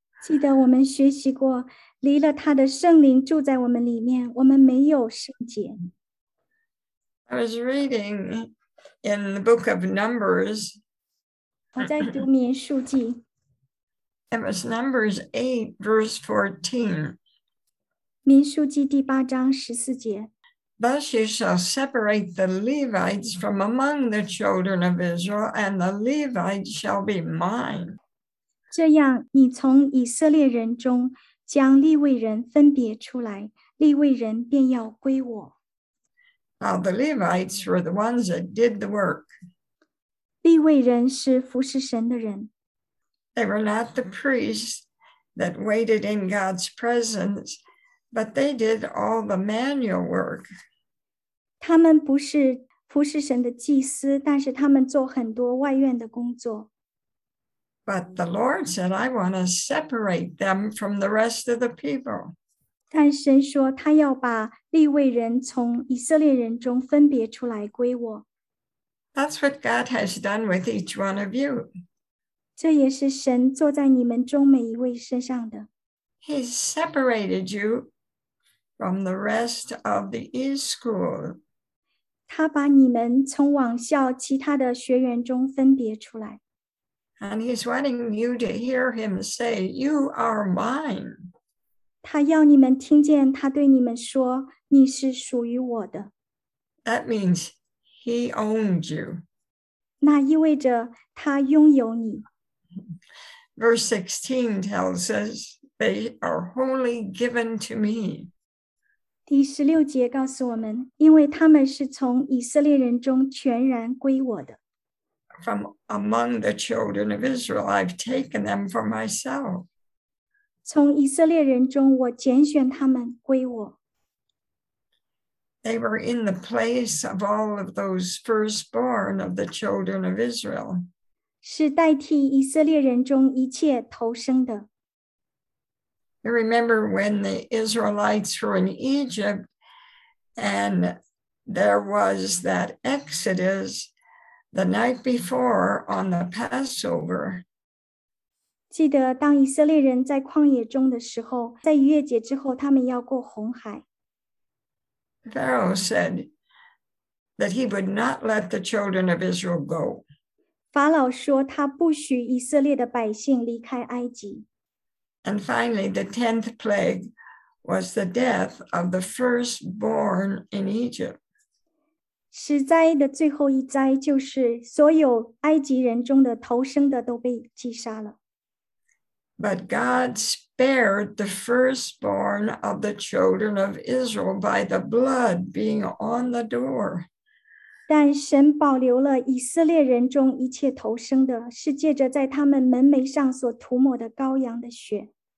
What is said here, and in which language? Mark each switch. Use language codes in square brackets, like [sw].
[zh] 记得我们学习过，离了他的圣灵住在我们里面，我们没有圣洁。 [en] I was reading in the book of Numbers. [zh] 我在读民数记。 [en] It was Numbers 8, verse 14. [zh] 民数记第八章十四节。 [en] Thus you shall separate the Levites from among the children of Israel, and the Levites shall be mine. [zh] 这样你从以色列人中将利未人分别出来，利未人便要归我。 [en] Now the Levites were the ones that did the work. [zh] 利未人是服侍神的人。 [en] They were not the priests that waited in God's presence, but they did all the manual work. [zh] 他们不是服侍神的祭司，但是他们做很多外院的工作。 [en] But the Lord said, I want to separate them from the rest of the people. [zh] 但神说他要把利未人从以色列人中分别出来归我。 [en] That's what God has done with each one of you. [zh] 这也是神坐在你们中每一位身上的。 [en] He separated you from the rest of the East School. [zh] 他把你们从网校其他的学员中分别出来。 [en] And he's wanting you to hear him say, you are mine. [zh] 他要你们听见他对你们说，你是属于我的。 [en] That means he owned you. [zh] 那意味着他拥有你。 [en] Verse 16 tells us, they are wholly given to me. [zh] 第十六节告诉我们，因为他们是从以色列人中全然归我的。 [en] From among the children of Israel, I've taken them for myself. [zh] 从以色列人中，我拣选他们归我。 [en] They were in the place of all of those firstborn of the children of Israel. [zh] 是代替以色列人中一切头生的。 [en] You remember when the Israelites were in Egypt, and there was that Exodus. The night before on the Passover. [zh] 记得当以色列人在旷野中的时候，在逾越节之后，他们要过红海。 [en] Pharaoh said that he would not let the children of Israel go. [zh] 法老说他不许以色列的百姓离开埃及。 [en] And finally, the 10th plague was the death of the firstborn in Egypt. [zh] 十灾的最后一灾就是所有埃及人中的头生的都被击杀了。 [en] But God spared the firstborn of the children of Israel by the blood being on the door. [zh] 但神保留了以色列人中一切头生的，是借着在他们门楣上所涂抹的羔羊的血。